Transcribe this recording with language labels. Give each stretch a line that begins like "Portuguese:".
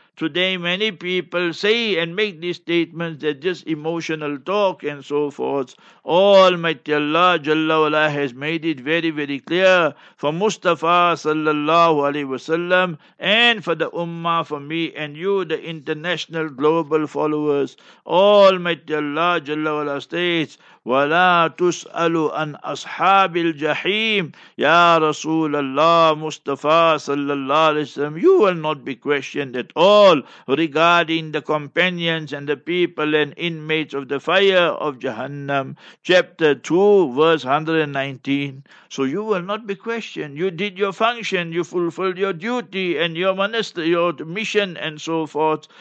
English: Today many people say and make these statements that just emotional talk and so forth. Almighty Allah Jalla wa'ala has made it very, very clear for Mustafa Sallallahu Alaihi Wasallam and for the Ummah, for me and you, the international global followers.
Arabic: Almighty Allah Jalla wa'ala states, وَلَا تُسْأَلُ أَنْ أَصْحَابِ الْجَحِيمِ يَا رَسُولَ اللَّهِ مُصْطَفَى صَلَّى اللَّهِ عَلَيْهِ وَسَلَّمَ.
English: You will not be questioned at all regarding the companions and the people and inmates of the fire of Jahannam. Chapter 2, verse 119. So you will not be questioned. You did your function, you fulfilled your duty and your minister, your mission and so forth.